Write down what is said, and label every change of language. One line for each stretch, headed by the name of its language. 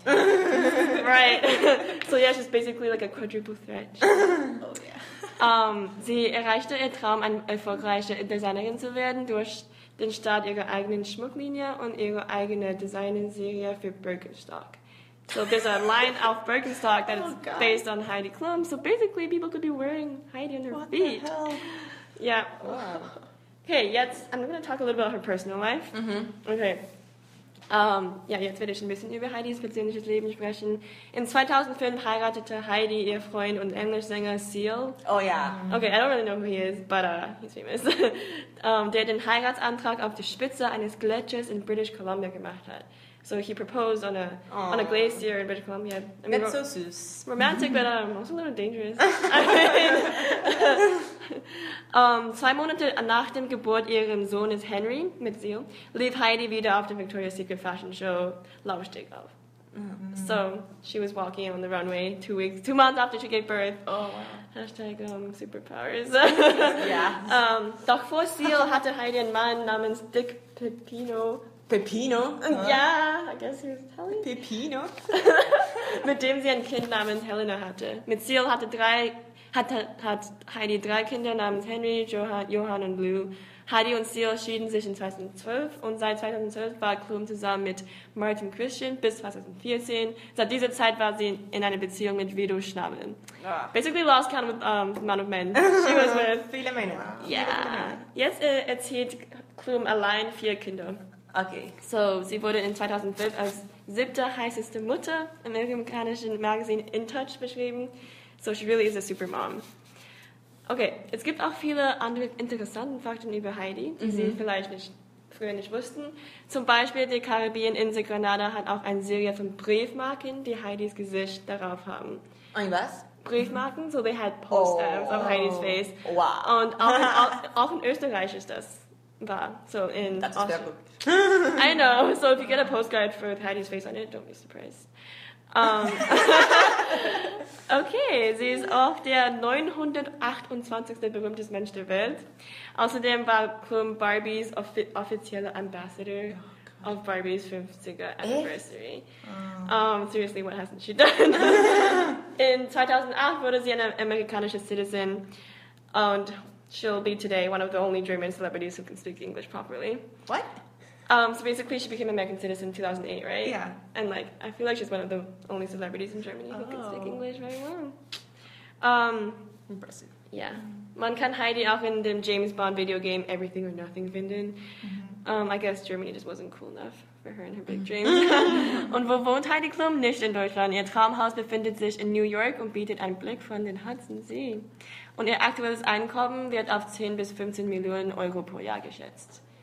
English: Right. So yeah, she's basically like a quadruple threat. Oh yeah.
German: Sie erreichte ihr Traum, eine erfolgreiche Designerin zu werden, durch den Start ihrer eigenen Schmucklinie und ihre eigene Designserie für Birkenstock.
English: So there's a line of Birkenstock that is based on Heidi Klum. So basically, people could be wearing Heidi on their what feet. The hell? Yeah. Wow. Okay,
German: jetzt,
English: I'm going to talk a little bit about her personal life. Mm-hmm. Okay.
German: Yeah, jetzt werde ich ein bisschen über Heidis persönliches Leben sprechen. In 2005 heiratete Heidi ihr Freund und Englischsänger Seal.
English: Oh, yeah. Mm-hmm. Okay, I don't really know who he is, but he's famous.
German: der den Heiratsantrag auf der Spitze eines Gletschers in British Columbia gemacht hat.
English: So he proposed on a Aww. On a glacier in British Columbia. I mean, that's so sus. Romantic, but also a little dangerous. I mean,
German: 2 Monate nach dem Geburt ihres Sohnes Henry mit Seal, lief Heidi wieder auf der Victoria's Secret Fashion Show Laufsteg auf.
English: Mm-hmm. So she was walking on the runway 2 months after she gave birth. Oh wow. Hashtag superpowers. Yeah.
German: Doch vor Seal hatte Heidi einen Mann namens Dick Pepino.
English: Pepino? Huh? Yeah, I guess he was telling. Pepino?
German: Mit dem sie ein Kind namens Helena hatte. Mit Seal hatte Heidi 3 Kinder namens Henry, Johann und Blue. Heidi und Seal schieden sich in 2012 und seit 2012 war Klum zusammen mit Martin Christian bis 2014. Seit dieser Zeit war sie in einer Beziehung mit Vido Schnabel. Ah.
English: Basically lost count with the amount of men she was with.
German: Viele Männer. Yeah. Jetzt erzielt Klum allein 4 Kinder.
English: Okay.
German: So, sie wurde in 2005 als 7. heißeste Mutter im amerikanischen Magazin In Touch beschrieben.
English: So, she really is a super mom.
German: Okay, es gibt auch viele andere interessante Fakten über Heidi, die mm-hmm. sie vielleicht früher nicht wussten. Zum Beispiel, die Karibieninsel Grenada hat auch eine Serie von Briefmarken, die Heidis Gesicht darauf haben. Und was?
English: Briefmarken, so they had posters of Heidis face. Wow.
German: Und auch in Österreich ist das. Bah.
English: So in Austria. I know. So if you get a postcard for Heidi's face on it, don't be surprised.
German: okay, sie ist auch der 928. berühmteste Mensch der Welt. Außerdem war Klum Barbies offizieller
English: Ambassador of
German: Barbies 50er Anniversary.
English: Seriously, what hasn't she done? In 2008
German: wurde sie eine amerikanische
English: Citizen
German: und
English: she'll be today one of the only German celebrities who can speak English properly. What? So basically, she became an American citizen in 2008, right? Yeah. And like, I feel like she's one of the only celebrities in Germany who can speak English very well. Impressive. Yeah.
German: Man kann Heidi auch in dem James Bond video game Everything or Nothing finden.
English: Mm-hmm. I guess Germany just wasn't cool enough for her and her big dreams.
German: Und wo wohnt Heidi Klum? Nicht in Deutschland. Ihr Traumhaus befindet sich in New York und bietet einen Blick von den Hudson See. Und ihr aktuelles Einkommen wird auf 10 bis 15 Millionen Euro pro Jahr geschätzt.